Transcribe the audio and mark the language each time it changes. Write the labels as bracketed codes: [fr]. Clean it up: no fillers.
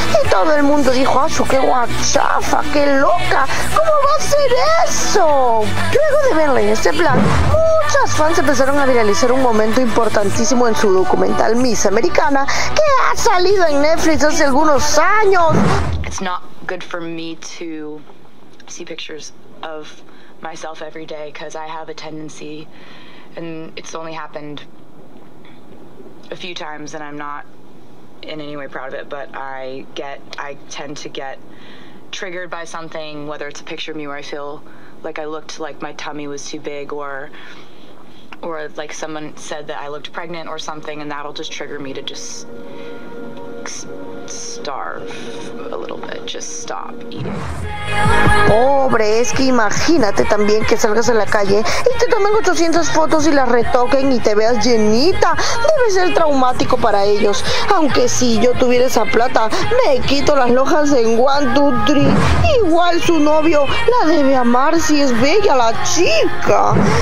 [es] Y todo el mundo dijo, ¡asu, qué guachafa, qué loca! ¿Cómo va a ser eso? Luego de verle este plan, muchas fans empezaron a viralizar un momento importantísimo en su documental Miss Americana, que ha salido en Netflix hace algunos años. [en] It's not good for me to see pictures of myself every day because I have a tendency, and it's only happened a few times, and I'm not in any way proud of it, but I tend to get triggered by something, whether it's a picture of me where I feel like I looked like my tummy was too big, or like someone said that I looked pregnant or something, and that'll just trigger me to just starve a little bit, just stop eating. [es] Pobre, es que imagínate también que salgas a la calle y te tomen 800 fotos y las retoquen y te veas llenita. Debe ser traumático para ellos. Aunque si yo tuviera esa plata, me quito las lonjas en 1, 2, 3. Igual su novio la debe amar si es bella la chica.